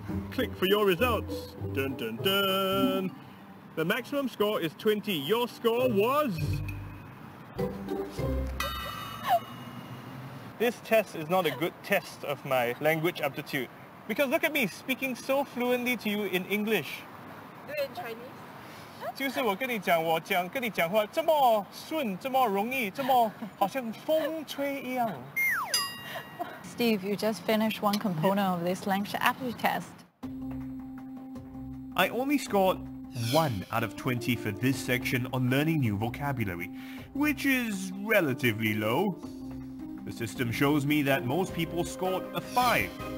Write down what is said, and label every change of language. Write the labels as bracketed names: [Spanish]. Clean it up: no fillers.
[English] Click for your results. Dun dun dun. The maximum score is 20. Your score was... This test is not a good test of my language aptitude. Because look at me speaking so fluently to you in English. Do it in Chinese. [Chinese] 就是我跟你讲话这么顺，这么容易，这么好像风吹一样。 [English] Steve, you just finished one component of this language aptitude test. I only scored 1 out of 20 for this section on learning new vocabulary, which is relatively low. The system shows me that most people scored a 5.